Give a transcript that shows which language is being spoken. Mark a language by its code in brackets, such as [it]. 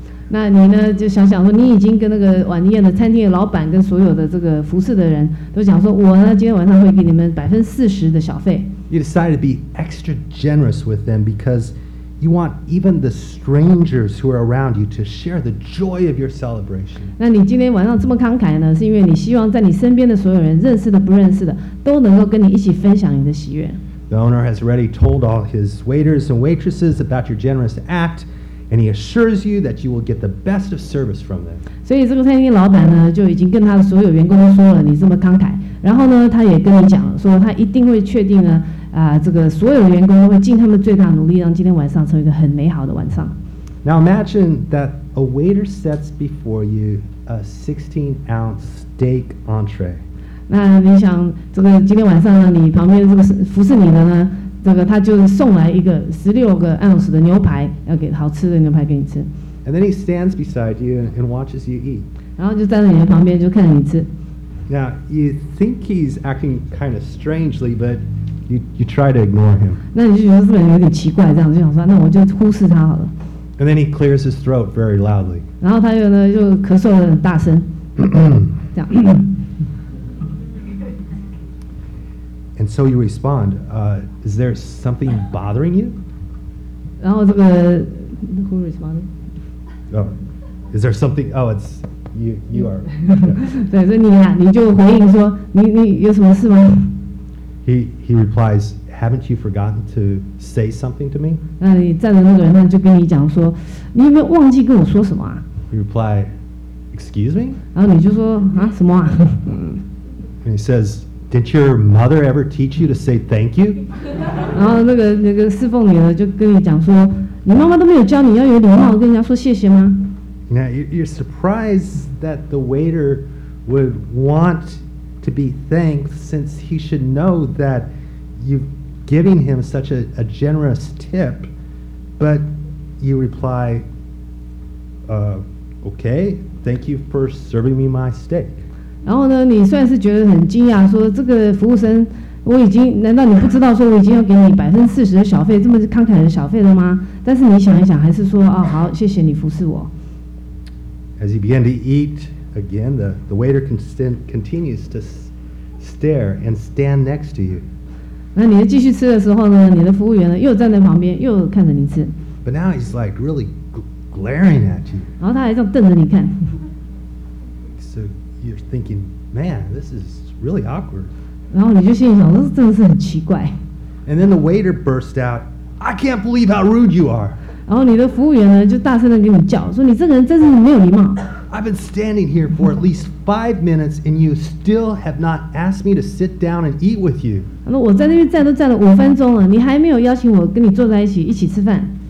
[zh] 那你呢就想想说你已经跟那个晚宴的餐厅的老板跟所有的这个服侍的人都讲说我呢今天晚上会给你们40%的小费。 [en] You decide to be extra generous with them because you want even the strangers who are around you to share the joy of your celebration. [zh] 那你今天晚上这么慷慨呢是因为你希望在你身边的所有人认识的不认识的都能够跟你一起分享你的喜悦。 [en] The owner has already told all his waiters and waitresses about your generous act. And he assures you that you will get the best of service from them. [zh] 所以这个餐厅老板呢，就已经跟他的所有员工都说了，你这么慷慨。然后呢，他也跟你讲说，他一定会确定呢，这个所有员工会尽他们最大努力，让今天晚上成为一个很美好的晚上。 [en] Now imagine that a waiter sets before you a 16-ounce steak entree. [zh] 那你想，这个今天晚上呢，你旁边这个服侍你的呢？这个他就送来一个16-ounce的牛排，要给好吃的牛排给你吃。 [en] And then he stands beside you and watches you eat. [zh] 然后就站在你的旁边，就看着你吃。 [en] Now you think he's acting kind of strangely, but you try to ignore him. [zh] 那你就觉得这个人有点奇怪，这样就想说，那我就忽视他好了。 [en] And then he clears his throat very loudly. [zh] 然后他又呢就咳嗽得很大声，这样。 [en] And so you respond, is there something bothering you? [zh] 然后这个 [en] who responded? Oh, is there something? Oh, it's you are. [zh] 对，所以你就回应说，你有什么事吗？ [en] He replies, haven't you forgotten to say something to me? [zh] 那你站着那个人呢，就跟你讲说，你有没有忘记跟我说什么啊？ [en] He reply, excuse me? [zh] 然后你就说啊，什么啊？ [en] And he says,Didn't your mother ever teach you to say thank you? [zh] 然后那个侍奉女呢，就跟你讲说，你妈妈都没有教你要有礼貌跟人家说谢谢吗？ [en] Now you're surprised that the waiter would want to be thanked, since he should know that you've given him such a generous tip. But you reply, okay, thank you for serving me my steak. [zh] 然后呢，你算是觉得很惊讶，说这个服务生，难道你不知道说我已经要给你40%的小费，这么慷慨的小费了吗？但是你想一想，还是说啊、哦，好，谢谢你服侍我。 [en] As he began to eat again, the waiter continues to stare and stand next to you. [zh] 那你继续吃的时候呢，你的服务员呢又站在旁边，又看着你吃。 [en] But now he's like really glaring at you. [zh] 然后他还这样瞪着你看。 [en] You're thinking, man, this is really awkward. [zh] 然后你就心里想，这真的是很奇怪。 [en] And then the waiter burst out, I can't believe how rude you are. [zh] 然后你的服务员呢，就大声的给你叫，说你这个人真是没有礼貌。 [en] I've been standing here for at least 5 minutes, and you still have not asked me to sit down and eat with you. [zh] 那我在那边站都站了5分钟了，你还没有邀请我跟你坐在一起吃饭。